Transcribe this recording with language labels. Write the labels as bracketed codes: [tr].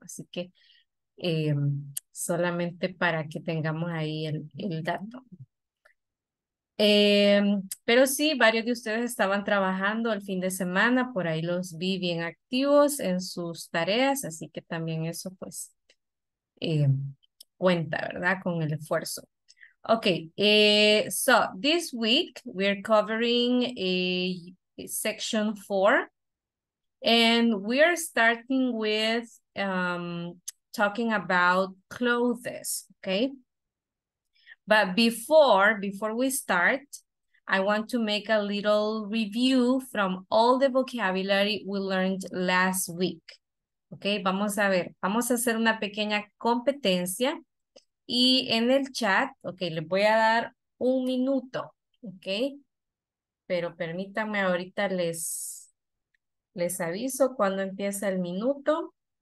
[es] Así que solamente para que tengamos ahí el dato. Pero sí, varios de ustedes estaban trabajando el fin de semana, por ahí los vi bien activos en sus tareas, así que también eso pues cuenta, ¿verdad? Con el esfuerzo. [en] Ok, so this week we're covering a section four and we are starting with talking about clothes, okay? But before we start, I want to make a little review from all the vocabulary we learned last week. [es] Okay, vamos a ver, vamos a hacer una pequeña competencia y en el chat, okay, les voy a dar un minuto, okay, pero permítanme ahorita les aviso cuando empieza el minuto.